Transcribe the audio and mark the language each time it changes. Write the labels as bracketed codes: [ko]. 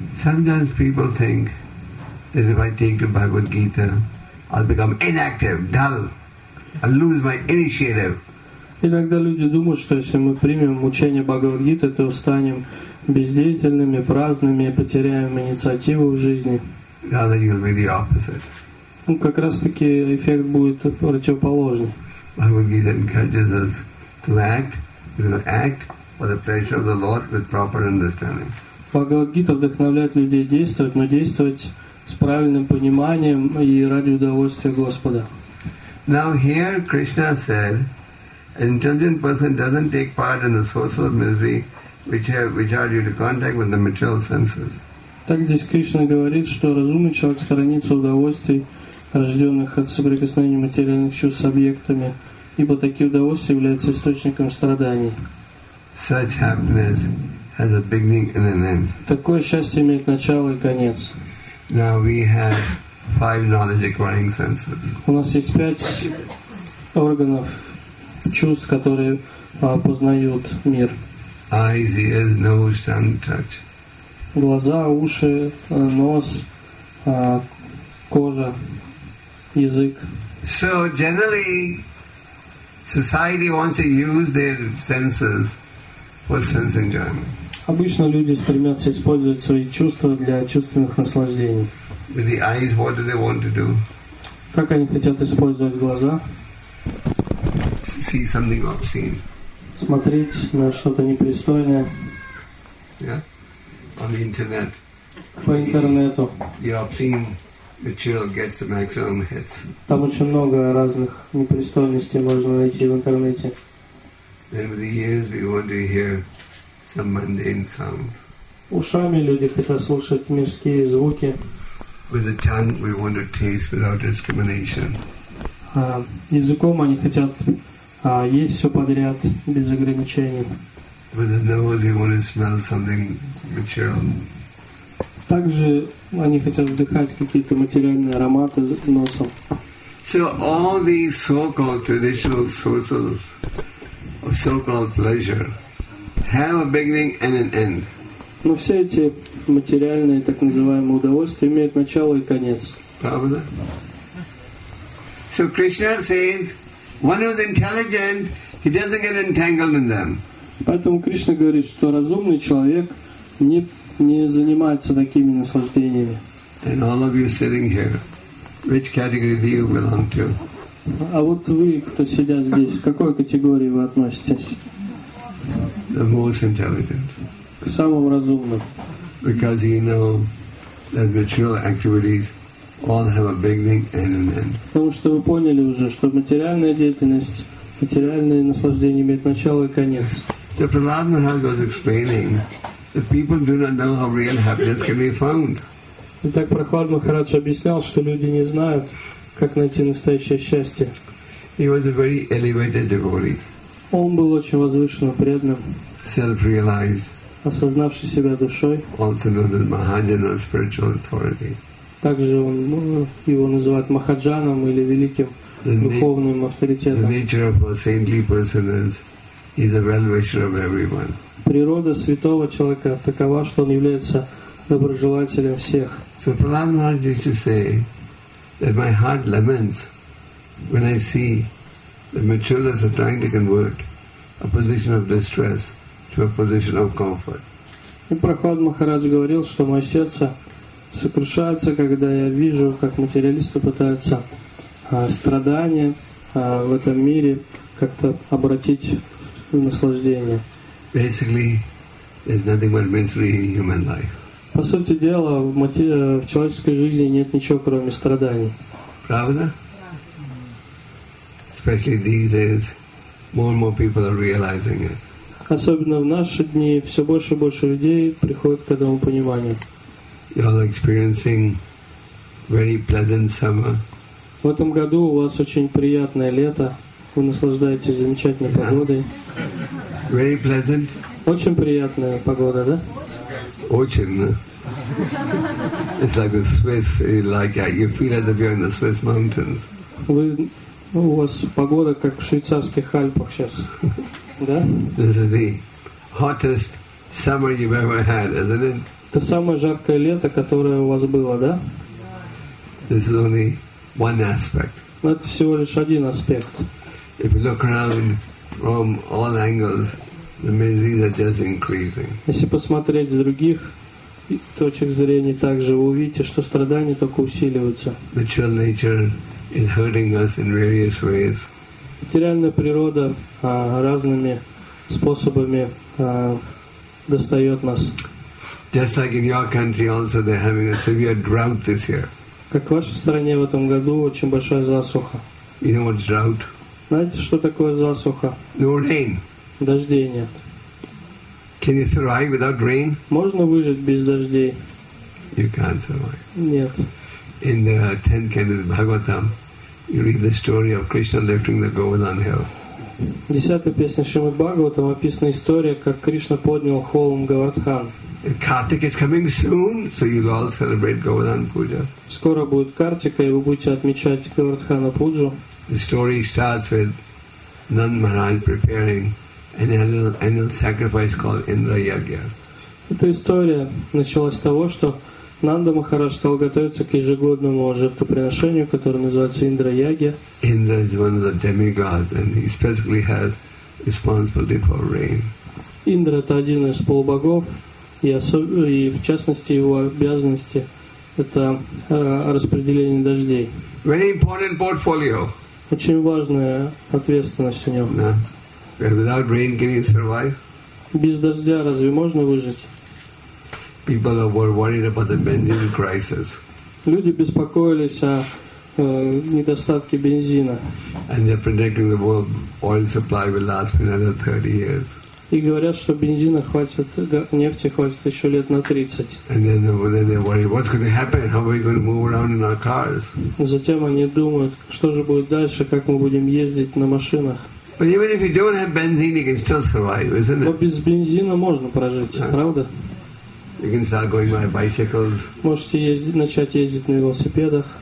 [en] Sometimes people think that if I take to Bhagavad Gita, I'll become inactive, dull. I'll lose my initiative. [ru] Иногда люди думают, что если мы примем учение Бхагавад Гиты, то станем бездеятельными, праздными, потеряем инициативу в жизни. [en] Rather you'll be the opposite. [ru] Ну, как раз таки эффект будет противоположный. [en] Bhagavad Gita encourages us to act, for the pleasure of the Lord with proper understanding. [ru] Bhagavad Gita вдохновляет людей действовать, но действовать с правильным пониманием и ради удовольствия Господа. [en] Now here Krishna said, an intelligent person doesn't take part in the sources of misery which are due to contact with the material senses. [ru] Так здесь Кришна говорит, что разумный человек сторонится удовольствий, рожденных от соприкосновения материальных чувств с объектами, ибо такие удовольствия являются источником страданий. [en] Such happiness has a beginning and an end. [ru] Такое счастье имеет начало и конец. [en] Now we have 5 knowledge acquiring senses. [ru] У нас есть 5 органов чувств, которые познают мир. [en] Eyes, ears, nose, tongue, touch. [ru] Глаза, уши, нос, кожа, язык. [en] So generally, society wants to use their senses for sense enjoyment. [ru] Обычно люди стремятся использовать свои чувства для чувственных наслаждений. [en] With the eyes, what do they want to do? [ru] Как они хотят использовать глаза? [en] See something obscene. [ru] Смотреть на что-то непристойное. [en] Yeah. On the internet. [ru] По интернету. [en] The obscene material gets the maximum hits. [ru] Там очень много разных непристойностей можно найти в интернете. [en] Then with the ears, we want to hear some mundane sound. [ru] Ушами люди хотят слушать мирские звуки. [en] With the tongue, we want to taste without discrimination. [ru] Языком они хотят есть все подряд без ограничений. [en] With the nose, they want to smell something material. [ru] Также они хотят вдыхать какие-то материальные ароматы носом. [en] So all these so-called traditional sources of so-called pleasure have a beginning and an end. [ru] Но все эти материальные, так называемые, удовольствия имеют начало и конец. Правда? [en] So Krishna says, one who is intelligent, he doesn't get entangled in them. [ru] Поэтому Кришна говорит, что разумный человек не занимается такими наслаждениями. [en] Then all of you sitting here, which category do you belong to? [ru] А вот вы, кто сидят здесь, к какой категории вы относитесь? [en] The most intelligent. [ru] К самым разумным. [en] Because he knows that material activities all have a beginning and an end. [ru] Потому что вы поняли уже, что материальная деятельность, материальные наслаждения имеют начало и конец. [en] So Prahlad Maharaj was explaining that people do not know how real happiness can be found. [ru] Итак, Прохлад Махарадж объяснял, что люди не знают, как найти настоящее счастье. [en] He was a very elevated devotee. [ru] Он был очень возвышенным преданным. [en] Self-realized. [ru] Осознавший себя душой. [en] Also known as Mahajana, spiritual authority. [ru] Также он, его называют Махаджаном или великим духовным авторитетом. [en] The nature of a saintly person is he's a well-wisher of everyone. [ru] Природа святого человека такова, что он является доброжелателем всех. [en] So Prahlad Maharaj used to say that my heart laments when I see the materialists are trying to convert a position of distress to a position of comfort. [ru] И Прохлад Махарадж говорил, что мое сердце сокрушается, когда я вижу, как материалисты пытаются страдания в этом мире как-то обратить в наслаждение. [en] Basically, there's nothing but misery in human life. [ru] По сути дела, в человеческой жизни нет ничего, кроме страданий. Правда? [en] Especially these days, more and more people are realizing it. [ru] Особенно в наши дни все больше и больше людей приходит к этому пониманию. [en] You are experiencing very pleasant summer. [ru] В этом году у вас очень приятное лето. Вы наслаждаетесь замечательной погодой. [en] Very pleasant. [ru] Очень приятная погода, да? Очень. [en] It's like the Swiss, like you feel as if you're in the Swiss mountains. [ru] Вы, ну, у вас погода как в швейцарских Альпах сейчас. [en] This is the hottest summer you've ever had, isn't it? [ru] Это самое жаркое лето, которое у вас было, да? [en] This is only one aspect. [ru] Это всего лишь один аспект. [en] If you look around from all angles, the miseries are just increasing. [ru] Если посмотреть с других точек зрения, также вы увидите, что страдания только усиливаются. [en] Material nature is hurting us in various ways. [ru] Материальная природа разными способами достает нас. [en] Just like in your country also, they're having a severe drought this year. [ru] Как в вашей стране в этом году очень большая засуха. [en] You know what's drought? [ru] Знаете, что такое засуха? [en] No rain. [ru] Дождей нет. [en] Can you survive without rain? [ru] Можно выжить без дождей? [en] You can't survive. [ru] Нет. [en] In the 10th canto of Bhagavatam, you read the story of Krishna lifting the Govardhan hill. [ru] В 10-й песне Шримад Бхагаватам описана история, как Кришна поднял холм Говардхан. [en] Kartik is coming soon, so you'll all celebrate Govardhan Puja. [ru] Скоро будет Картика, и вы будете отмечать Говардхана Пуджу. [en] The story starts with Nand Maharaj preparing an annual sacrifice called Indra Yagya. [ru] Эта история началась с того, что Нанда Махарадж стал готовиться к ежегодному жертвоприношению, которое называется Индра Ягья. [en] Indra is one of the demigods, and he specifically has responsibility for rain. [ru] Индра это один из полубогов, и в частности его обязанности это распределение дождей. [en] Very important portfolio. [ru] Очень важная ответственность у него. [en] No. Without rain, can you survive? [ru] Без дождя разве можно выжить? [en] People were worried about the benzene crisis. [ru] Люди беспокоились о недостатке бензина. [en] And they're predicting the world oil supply will last for another 30 years. [ru] И говорят, что бензина хватит, нефти хватит еще лет на 30. [en] And then they're worried, what's going to happen? How are we going to move around in our cars? [ru] Затем они думают, что же будет дальше, как мы будем ездить на машинах. [en] But even if you don't have benzene, you can still survive, isn't it? [ru] Но без бензина можно прожить, правда? [en] You can start going by bicycles. [ru] Можете начать ездить на велосипедах.